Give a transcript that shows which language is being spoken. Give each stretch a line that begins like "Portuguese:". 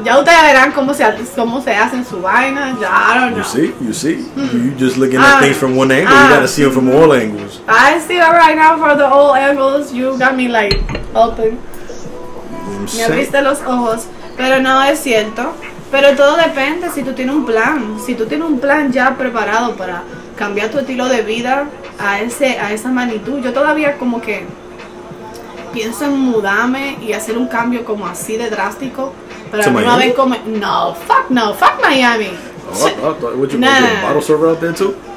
Spanish: Ya ustedes verán cómo se hacen su vaina.
English: Ya, I don't know. You see. You're just looking at things from one angle. You gotta see them from all angles. I see it right now from the all angles. You got me, like, open.
Spanish: Me abriste los ojos. Pero no, es cierto. Pero todo depende si tú tienes un plan. Si tú tienes un plan ya preparado para cambiar tu estilo de vida a esa magnitud. Yo todavía como que pienso en mudarme y hacer un cambio como así de drástico. Pero no ver cómo. No, fuck Miami.
English: Oh, would you bottle server out there too?